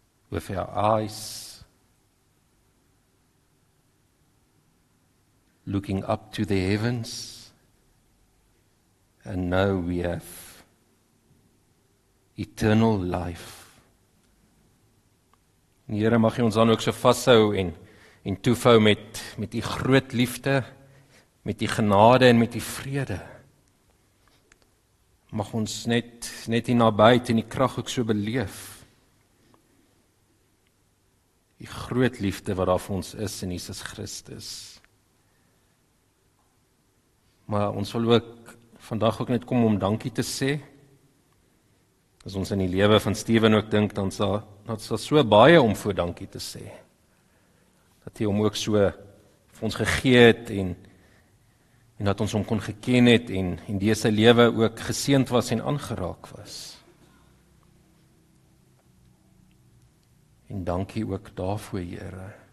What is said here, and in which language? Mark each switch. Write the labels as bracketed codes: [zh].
[en] with our eyes looking up to the heavens, and know we have eternal life. [af] En Here, mag U ons dan ook so vashou en toevou met U groot liefde, met U genade en met U vrede. Mag ons net die nabyheid en die krag ook so beleef. Die groot liefde wat daar vir ons is in Jesus Christus. Maar ons wil ook vandag ook net kom om dankie te sê. As ons in die lewe van Steven ook dink, dan sal so baie om voor dankie te sê. Dat hy hom ook so vir ons gegee het en dat ons hom kon geken het en die sy lewe ook geseend was en aangeraak was. En dankie ook daarvoor, Here.